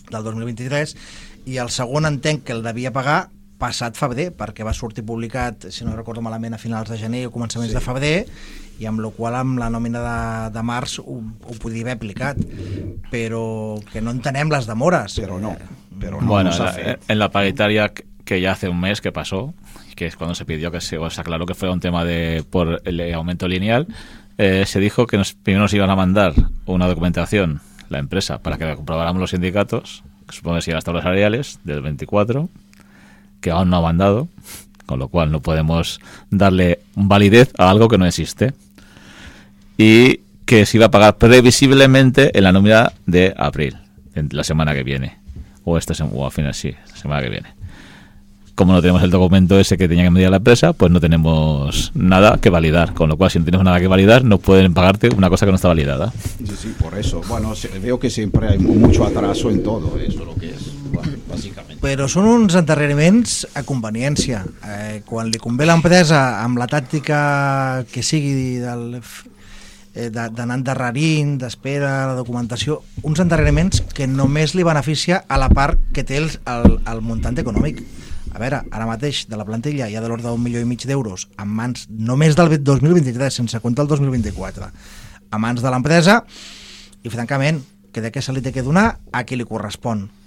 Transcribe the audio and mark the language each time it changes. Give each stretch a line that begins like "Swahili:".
Catalan: del 2023, i el segon entenc que el devia pagar passat febrer, perquè va sortir publicat, si no recordo malament, a finals de gener o començaments sí. de febrer, i amb la qual amb la nòmina de març ho podia haver aplicat, però que no entenem les demores. Però no.
Spanish: Pero no, bueno, no en la paritaria que ya hace un mes que pasó, que es cuando se pidió que se aclaró que fuera un tema de por el aumento lineal, se dijo que primero nos iban a mandar una documentación, la empresa, para que la comprobáramos los sindicatos, que supongo que serían las tablas salariales del 24, que aún no ha mandado, con lo cual no podemos darle validez a algo que no existe, y que se iba a pagar previsiblemente en la nómina de abril, en la semana que viene. O esta semana, o al final sí, la semana que viene. Como no tenemos el documento ese que tenía que medir la empresa, pues no tenemos nada que validar. Con lo cual, si no tenemos nada que validar, no pueden pagarte una cosa que no está validada. Sí, sí, por eso. Bueno, veo que siempre hay mucho atraso en todo, eso lo que es, básicamente. Pero son unos endarreriments a conveniencia.
Catalan: Quan li convé l'empresa, amb la tàctica que sigui del... d'anar endarrerint, d'espera, la documentació, uns endarreriments que només li beneficia a la part que té el muntant econòmic. A veure, ara mateix de la plantilla hi ha de l'ordre d'un milió i mig d'euros en mans només del 2023, sense comptar el 2024, a mans de l'empresa, i francament, que de què se li té que donar a qui li correspon.